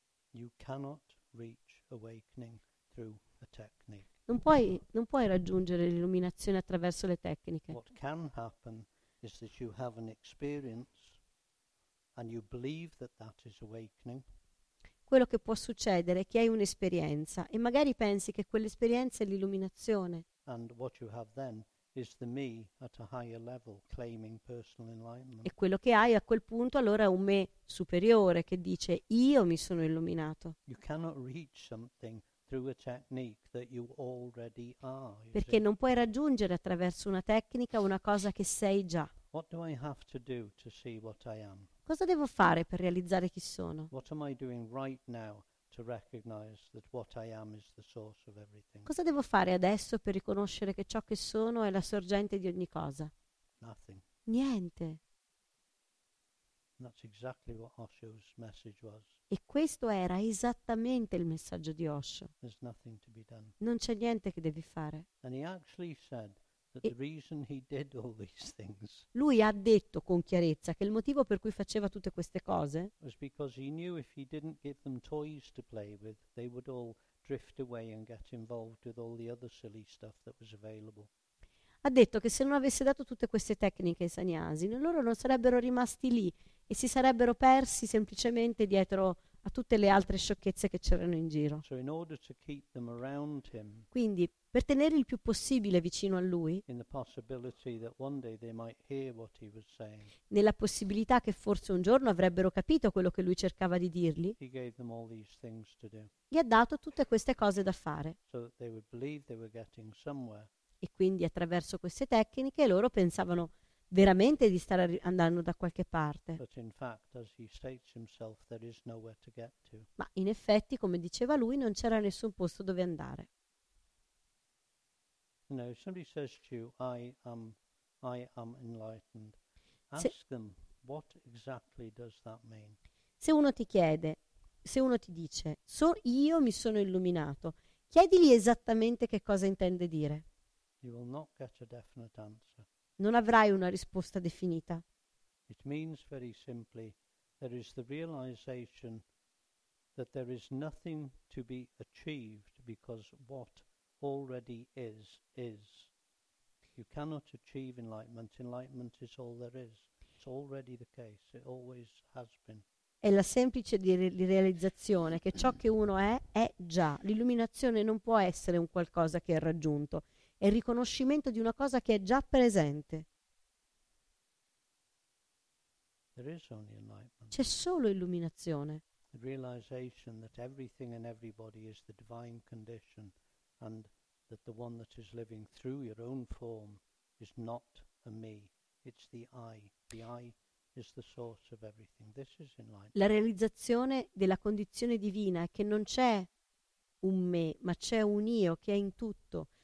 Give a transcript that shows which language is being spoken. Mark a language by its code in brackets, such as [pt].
[en] You cannot reach awakening through a technique. [it] Non puoi raggiungere l'illuminazione attraverso le tecniche. [en] What can happen is that you have an experience and you believe that that is awakening. [it] Quello che può succedere è che hai un'esperienza e magari pensi che quell'esperienza è l'illuminazione. [en] And what you have then is the me at a higher level claiming personal enlightenment. [it] E quello che hai a quel punto allora è un me superiore che dice io mi sono illuminato. [en] You cannot reach something through a technique that you already are. [it] Perché non puoi raggiungere attraverso una tecnica una cosa che sei già. [en] What do I have to do to see what I am? [it] Cosa devo fare per realizzare chi sono? [en] What am I doing right now to recognize that what I am is the source of everything? [it] Cosa devo fare adesso per riconoscere che ciò che sono è la sorgente di ogni cosa? [en] Nothing. [it] Niente. [en] That's exactly what Osho's message was. [it] E questo era esattamente il messaggio di Osho. [en] There's nothing to be done. [it] Non c'è niente che devi fare. [en] And he actually said that the reason he did all these things, [it] lui ha detto con chiarezza che il motivo per cui faceva tutte queste cose [en] was because he knew if he didn't give them toys to play with, they would all drift away and get involved with all the other silly stuff that was available. [it] Ha detto che se non avesse dato tutte queste tecniche ai sannyasi, loro non sarebbero rimasti lì e si sarebbero persi semplicemente dietro a tutte le altre sciocchezze che c'erano in giro. [en] So in order to keep them around him, [it] quindi, per tenere il più possibile vicino a lui, [en] in the possibility that one day they might hear what he was saying, [it] nella possibilità che forse un giorno avrebbero capito quello che lui cercava di dirgli, [en] he gave them all these things to do, [it] gli ha dato tutte queste cose da fare. [en] So that they would believe they were getting somewhere. [it] E quindi attraverso queste tecniche loro pensavano veramente di stare andando da qualche parte. [en] But in fact, as he states himself, there is nowhere to get to. [it] Ma in effetti, come diceva lui, non c'era nessun posto dove andare. [en] You know, somebody says to you, I am enlightened. Ask them, what exactly does that mean? [it] Se uno ti chiede, se uno ti dice, so io mi sono illuminato, chiedigli esattamente che cosa intende dire. [en] You will not get a definite answer. [it] Non avrai una risposta definita. [en] It means very simply there is the realization that there is nothing to be achieved because what already is. You cannot achieve enlightenment. Enlightenment is all there is. It's already the case. It always has been. [it] È la semplice realizzazione che ciò che uno è già. L'illuminazione non può essere un qualcosa che è raggiunto. È il riconoscimento di una cosa che è già presente. [en] There is only enlightenment. [it] C'è solo illuminazione. [en] The realization that everything and everybody is the divine condition and that the one that is living through your own form is not a me, it's the I. The I is the source of everything. This is enlightenment. [it] La realizzazione della condizione divina è che non c'è un me, ma c'è un io che è in tutto.